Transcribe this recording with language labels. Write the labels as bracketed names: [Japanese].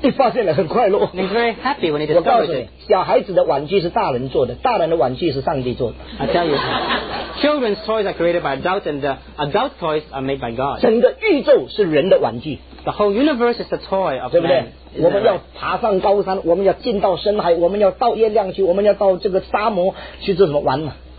[English] He [Chinese] 发现了很快乐 [English] and he's very happy when he discovers it. [Chinese] 小孩子的玩具是大人做的，大人的玩具是上帝做的。 [English] I tell you, children's toys are created by adults, and the adult toys are made by God. [Chinese] 整个宇宙是人的玩具。 [English] The whole universe is the toy of man. [Chinese] 对不对？我们要爬上高山，我们要进到深海，我们要到月亮去，我们要到这个沙漠去做什么玩嘛